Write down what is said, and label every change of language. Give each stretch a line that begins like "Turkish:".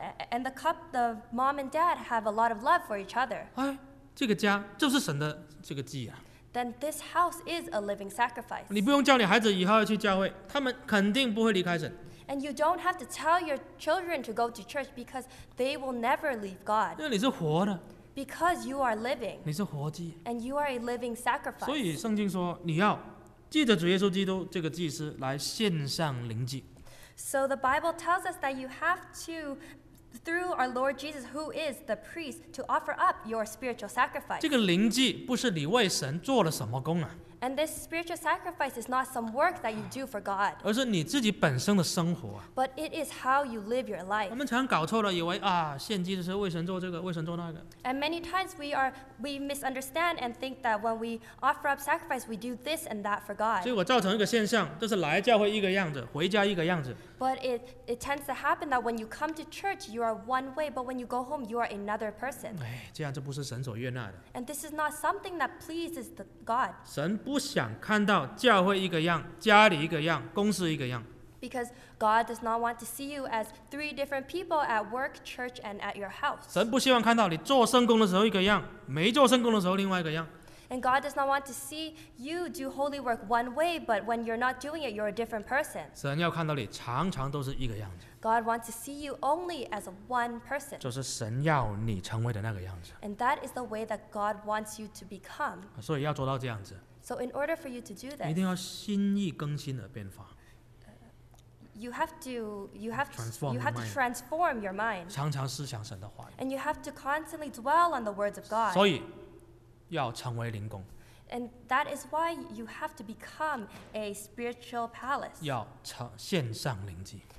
English: and the mom and dad have a lot of love for each other.
Chinese: 哎, 这个家就是神的这个祭啊。
English: Then this house is a living sacrifice.
Chinese: 你不用叫你孩子以后要去教会, 他们肯定不会离开神。
English: And you don't have to tell your children to go to church because they will never leave God.
Chinese: 因为你是活的。
English: Because you are living.
Chinese: 你是活祭。
English: And you are a living sacrifice.
Chinese: 所以圣经说, 你要借着主耶稣基督这个祭司来献上灵祭。
English: So the Bible tells us that you have to, through our Lord Jesus, who is the priest, to offer up your spiritual sacrifice.
Chinese: 这个灵祭不是你为神做了什么工啊,
English: and this spiritual sacrifice is not some work that you do for God,
Chinese: 而是你自己本身的生活,
English: but it is how you live your life.
Chinese: 我们常搞错了，以为, 啊, 献祭就是为神做这个, 为神做那个。
English: And many times we misunderstand and think that when we offer up sacrifice, we do this and that for God.
Chinese: 所以我造成一个现象, 就是来教会一个样子, 回家一个样子。
English: But it tends to happen that when you come to church, you are one way, but when you go home, you are another person.
Chinese: 哎, 这样就不是神所悦纳的。
English: And this is not something that pleases God.
Chinese: 神不想看到教会一个样, 家里一个样, 公司一个样。
English: Because God does not want to see you as three different people at work, church, and at your house.
Chinese: 神不希望看到你做圣工的时候一个样, 没做圣工的时候另外一个样。
English: And God does not want to see you do holy work one way, but when you're not doing it, you're a different person.
Chinese: 神要看到你常常都是一个样子。
English: God wants to see you only as one person.
Chinese: 就是神要你成为的那个样子。
English: And that is the way that God wants you to become.
Chinese: 所以要做到这样子。
English: So in order for you to do that,
Chinese: 一定要心意更新而变化。
English: You have to transform your mind.
Chinese: 常常思想神的话语。
English: And you have to constantly dwell on the words of God.
Chinese: 所以, 要成为灵宫,
English: and that is why you have to become a spiritual palace.
Chinese: 要献上灵祭,